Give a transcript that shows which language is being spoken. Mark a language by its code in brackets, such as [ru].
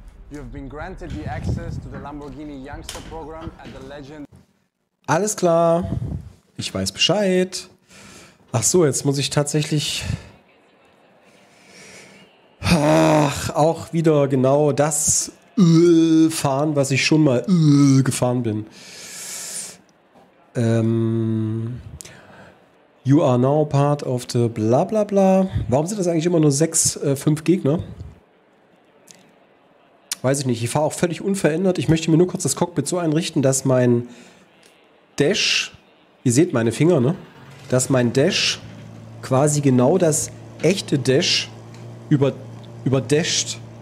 [en] You have been granted the access to the Lamborghini Youngster Program at the Legend. [de] Alles klar. Ich weiß Bescheid. Ach so, jetzt muss ich tatsächlich. Ach, auch wieder genau das fahren, was ich schon mal gefahren bin. [en] You are now part of the bla bla bla. [de] Warum sind das eigentlich immer nur 6, 5 Gegner? Weiß ich nicht. Ich fahre auch völlig unverändert. Ich möchte mir nur kurz das Cockpit so einrichten, dass mein Dash, ihr seht meine Finger, ne? Dass mein Dash quasi genau das echte Dash überdasht.